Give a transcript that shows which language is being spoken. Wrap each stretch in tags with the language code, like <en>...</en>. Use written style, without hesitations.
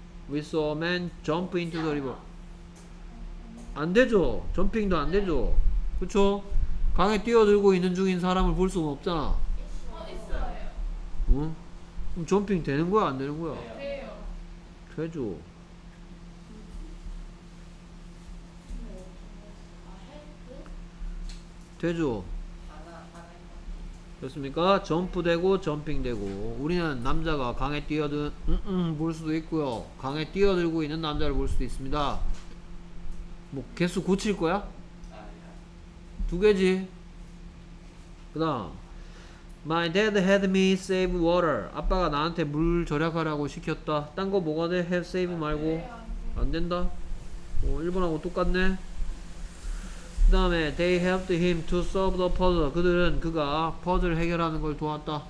<en>We saw a man jump into the river.</en> <ko>안 되죠. 점핑도 안 되죠. 그쵸? 강에 뛰어들고 있는 중인 사람을 볼 수는 없잖아. 있어요. 응? 그럼 점핑 되는 거야 안 되는 거야? 돼요. 되죠. 되죠. 됐습니까? 점프되고 점핑되고. 우리는 남자가 강에 뛰어든 볼 수도 있고요. 강에 뛰어들고 있는 남자를 볼 수도 있습니다. 뭐 개수 고칠 거야? 두 개지. 그 다음</ko> <en>My dad had me save water.</en> <ko>아빠가 나한테 물 절약하라고 시켰다. 딴 거 뭐가 돼?</ko> <en>Have save</en> <ko>말고. 안 된다? 어, 1번하고 똑같네. 그 다음에</ko> <en>they helped him to solve the puzzle.</en> <ko>그들은 그가 퍼즐 해결하는 걸 도왔다.</ko>